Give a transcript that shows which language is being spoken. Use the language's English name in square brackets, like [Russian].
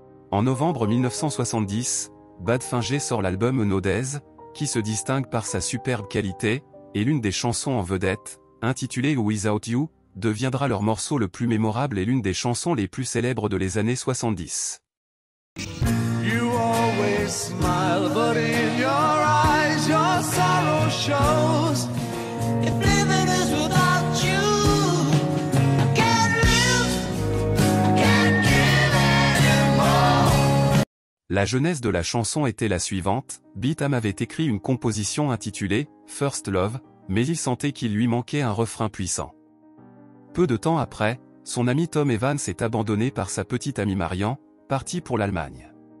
[French] En novembre 1970, Badfinger sort l'album No Days, qui se distingue par sa superbe qualité, et l'une des chansons en vedette, intitulée Without You, deviendra leur morceau le plus mémorable et l'une des chansons les plus célèbres de les années 70. [English] You always smile, but in your eyes your sorrow shows. If living is without you, I can't live, I can't give anymore. [French] La genèse de la chanson était la suivante. Pete Ham avait écrit une composition intitulée First Love, mais il sentait qu'il lui manquait un refrain puissant. Peu de temps après, son ami Tom Evans est abandonné par sa petite amie Marian, partie pour l'Allemagne.